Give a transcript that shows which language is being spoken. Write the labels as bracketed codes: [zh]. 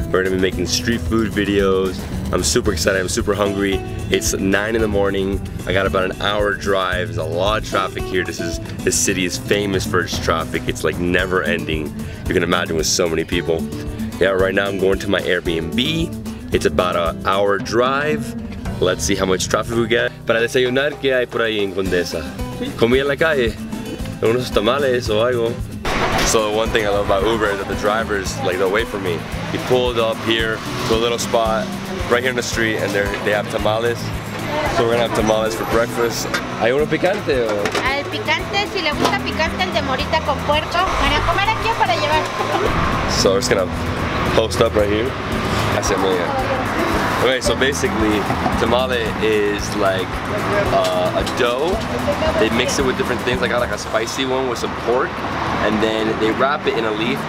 [en] We're gonna be making street food videos. I'm super excited, I'm super hungry. It's 9 in the morning. I got about an hour drive. There's a lot of traffic here. This city is famous for its traffic. It's like never ending. You can imagine with so many people. Yeah, right now I'm going to my Airbnb. It's about an hour drive. Let's see how much traffic we get. [es] Para desayunar, ¿qué hay por ahí en Condesa? Comí en la calle. Unos tamales o algo. [en] So the one thing I love about Uber is that the drivers, like, they'll wait for me. He pulled up here to a little spot right here in the street, and they have tamales. So we're gonna have tamales for breakfast. [es] ¿Hay uno picante o...? Al picante, si le gusta picante, el de Morita con Puerco. Van a comer aquí para llevar. [en] So we're just gonna post up right here. Okay, so basically, tamale is like a dough. They mix it with different things. I got like a spicy one with some pork, and then they wrap it in a leaf.